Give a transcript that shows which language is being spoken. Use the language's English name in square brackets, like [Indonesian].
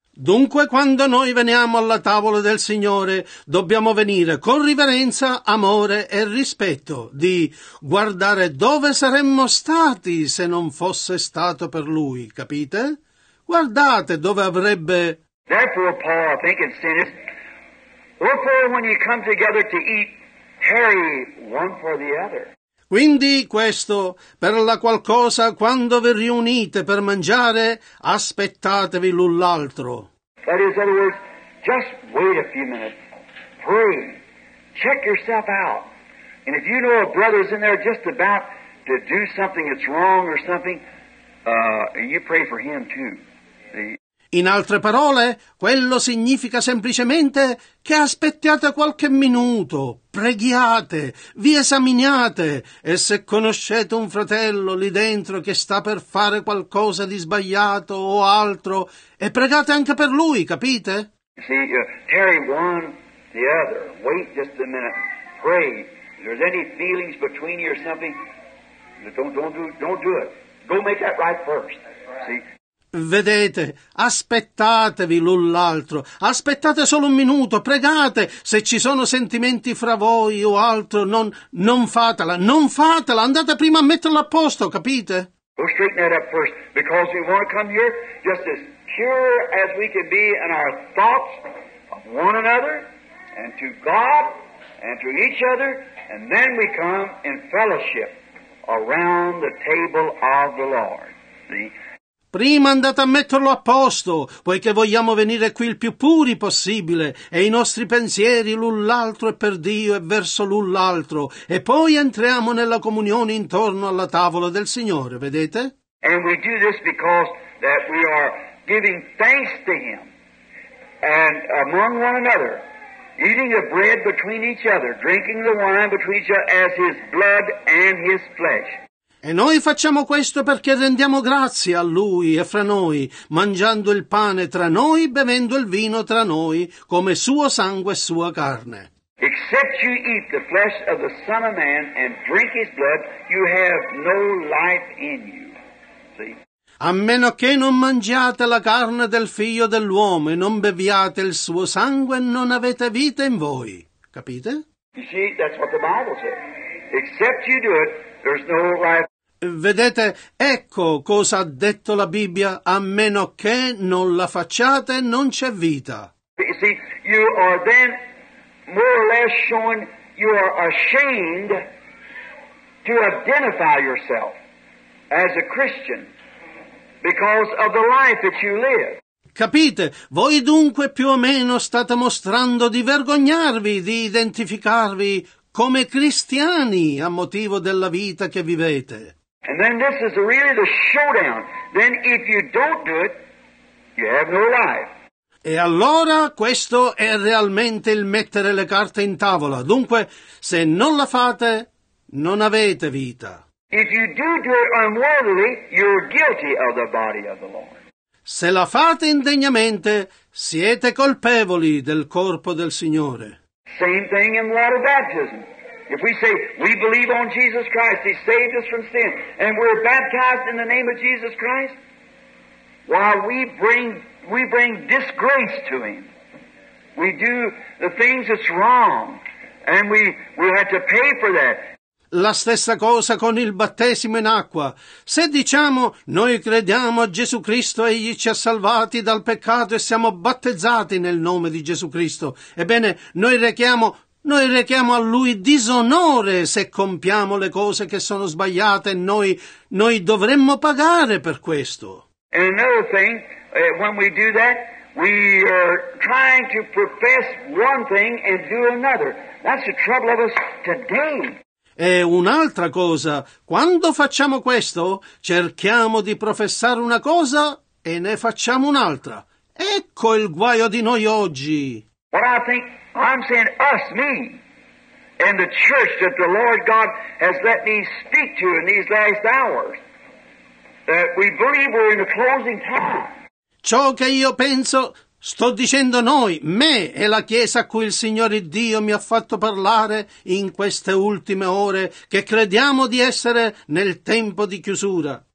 [Italian] Dunque, quando noi veniamo alla tavola del Signore, dobbiamo venire con riverenza, amore e rispetto, di guardare dove saremmo stati se non fosse stato per Lui, capite? Guardate dove avrebbe... [English] Therefore, Paul, I think it's sinners, wherefore when you come together to eat, tarry one for the other. [Italian] Quindi questo, per la qualcosa, quando vi riunite per mangiare, aspettatevi l'un l'altro. [English] That is, in other words, just wait a few minutes. Pray. Check yourself out. And if you know a brother's in there just about to do something that's wrong or something, you pray for him too. [Italian] In altre parole, quello significa semplicemente che aspettiate qualche minuto, preghiate, vi esaminiate e se conoscete un fratello lì dentro che sta per fare qualcosa di sbagliato o altro, e pregate anche per lui, capite? [English] See, tarry one, the other. Wait just a minute. Pray. If there's any feelings between you or something, don't do it. Go make that right first. See? [Italian] Vedete, aspettatevi l'un l'altro, aspettate solo un minuto, pregate, se ci sono sentimenti fra voi o altro, non fatela, andate prima a metterlo a posto, capite? [English] We'll straighten that up first, because we want to come here just as pure as we can be in our thoughts of one another, and to God, and to each other, and then we come in fellowship around the table of the Lord. See? [Italian] Prima andate a metterlo a posto, poiché vogliamo venire qui il più puri possibile, e i nostri pensieri l'un l'altro è per Dio e verso l'un l'altro, e poi entriamo nella comunione intorno alla tavola del Signore, vedete? [English] And we do this because that we are giving thanks to Him, and among one another, eating the bread between each other, drinking the wine between each other as His blood and His flesh. [Italian] E noi facciamo questo perché rendiamo grazie a Lui e fra noi, mangiando il pane tra noi, bevendo il vino tra noi, come suo sangue e sua carne. [English] Except you eat the flesh of the Son of Man and drink his blood, you have no life in you. See? [Italian] A meno che non mangiate la carne del Figlio dell'uomo e non beviate il suo sangue, non avete vita in voi. Capite? [English] You see, that's what the Bible says. Except you do it, there's no life. [Italian] Vedete, ecco cosa ha detto la Bibbia, a meno che non la facciate, non c'è vita. [English] You see, you are then more or less showing you are ashamed to identify yourself as a Christian because of the life that you live. [Italian] Capite? Voi dunque più o meno state mostrando di vergognarvi, di identificarvi come cristiani a motivo della vita che vivete. [English] And then this is really the showdown. Then if you don't do it, you have no life. [Italian] E allora questo è realmente il mettere le carte in tavola. Dunque, se non la fate, non avete vita. [English] If you do it unworthily, you're guilty of the body of the Lord. [Italian] Se la fate indegnamente, siete colpevoli del corpo del Signore. [English] Same thing in water baptism. If we say, we believe on Jesus Christ, He saved us from sin, and we're baptized in the name of Jesus Christ, while we bring disgrace to Him. We do the things that's wrong, and we have to pay for that. [Italian] La stessa cosa con il battesimo in acqua. Se diciamo, noi crediamo a Gesù Cristo, Egli ci ha salvati dal peccato e siamo battezzati nel nome di Gesù Cristo, ebbene, noi rechiamo a Lui disonore se compiamo le cose che sono sbagliate e noi dovremmo pagare per questo. [English] And another thing, when we do that, we are trying to profess one thing and do another. That's the trouble of us today. [Italian] E un'altra cosa, quando facciamo questo, cerchiamo di professare una cosa e ne facciamo un'altra. Ecco il guaio di noi oggi. [English] What I think, I'm saying us, me, and the church that the Lord God has let me speak to in these last hours, that we believe we're in the closing time. [Italian] Ciò che io penso Sto dicendo noi, me e la Chiesa a cui il Signore Dio mi ha fatto parlare in queste ultime ore, che crediamo di essere nel tempo di chiusura.